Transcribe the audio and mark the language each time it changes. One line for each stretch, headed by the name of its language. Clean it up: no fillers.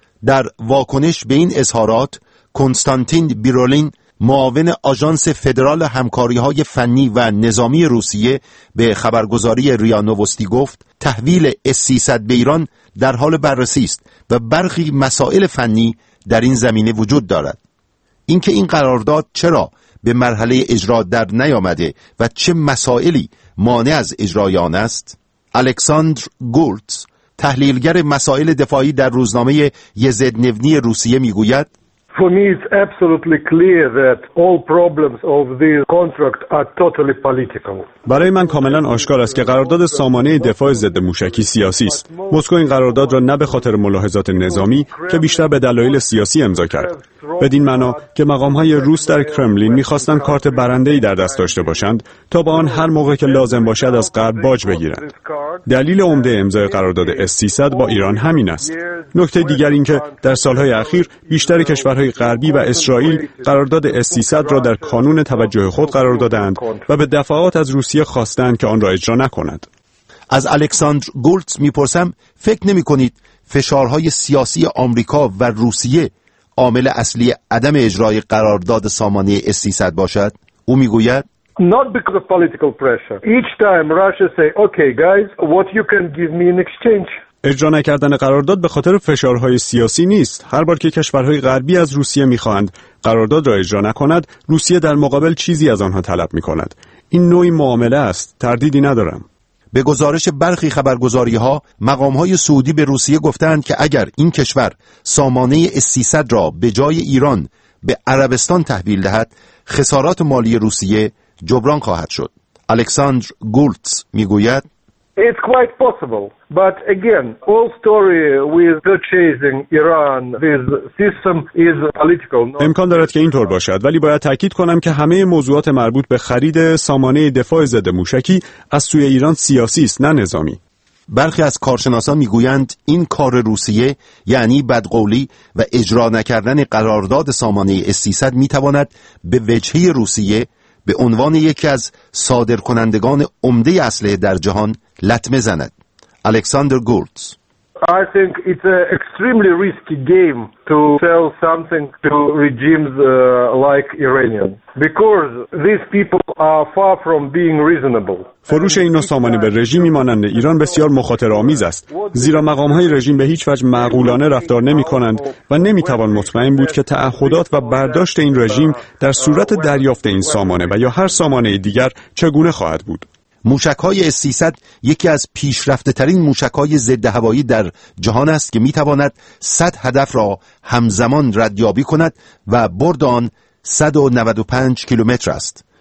Persian: در واکنش به این اظهارات کنستانتین بیرولین معاون آژانس فدرال همکاری‌های فنی و نظامی روسیه به خبرگزاری ریا نوستی گفت تحویل S-300 به ایران در حال بررسی است و برخی مسائل فنی در این زمینه وجود دارد. اینکه این قرارداد چرا به مرحله اجرا در نیامده و چه مسائلی مانع از اجرای آن است؟ الکساندر گورتز تحلیلگر مسائل دفاعی در روزنامه یزد نونی روسیه میگوید
English: For me it's absolutely clear that all problems of this contract are totally political.
Persian: برای من کاملا آشکار است که قرارداد سامانه دفاع ضد موشکی سیاسی است. مسکو این قرارداد را نه به خاطر ملاحظات نظامی که بیشتر به دلایل سیاسی امضا کرد. بدین معنا که مقام‌های روس در کرملین می‌خواستند کارت برنده‌ای در دست داشته باشند تا با آن هر موقع که لازم باشد از غرب باج بگیرند. دلیل عمده امضای قرارداد S-300 با ایران همین است. نکته دیگر این که در سال‌های اخیر بیشتر کشورهای غربی و اسرائیل قرارداد S-300 را در کانون توجه خود قرار دادند و به دفعات از روسیه خواستند که آن را اجرا نکند. از الکساندر گولتز می‌پرسم فکر نمی‌کنید فشارهای سیاسی آمریکا و روسیه عامل اصلی عدم اجرای قرارداد سامانه S-300 باشد؟ او میگوید
English: Not because of political pressure. Each time Russia say, "Okay guys, what you can give me in exchange?"
Persian: اجرا نکردن قرارداد به خاطر فشارهای سیاسی نیست. هر بار که کشورهای غربی از روسیه میخواهند قرارداد را اجرا نکند، روسیه در مقابل چیزی از آنها طلب میکند. این نوعی معامله است، تردیدی ندارم. به گزارش برخی خبرگزاری‌ها، مقام‌های سعودی به روسیه گفتند که اگر این کشور سامانه S-300 را به جای ایران به عربستان تحویل دهد، خسارات مالی روسیه جبران خواهد شد. الکساندر گولتز می‌گوید:
English: It's quite possible, but again, all story with purchasing Iran with system is political.
Persian: امکان دارد که اینطور باشد، ولی باید تأکید کنم که همه موضوعات مربوط به خرید سامانه دفاع ضد موشکی از سوی ایران سیاسی است نه نظامی. برخی از کارشناسان میگویند این کار روسیه یعنی بدقولی و اجرا نکردن قرارداد سامانه S-300 میتواند به وجهه روسیه به عنوان یکی از صادرکنندگان عمده اسلحه در جهان لطمه زند. الکساندر گورتز
English: I think it's an extremely risky game to sell something to regimes like Iranian because these people are far from being reasonable.
Persian: فروش این نوع سامانه به رژیمی مانند ایران بسیار مخاطره‌آمیز است، زیرا مقام‌های رژیم به هیچ وجه معقولانه رفتار نمی‌کنند و نمی‌توان مطمئن بود که تعهدات و برداشت این رژیم در صورت دریافت این سامانه و یا هر سامانه دیگر چگونه خواهد بود. موشک‌های S-300 یکی از پیشرفته‌ترین موشک‌های ضد هوایی در جهان است که می‌تواند 100 هدف را همزمان ردیابی کند و برد آن 195 کیلومتر است.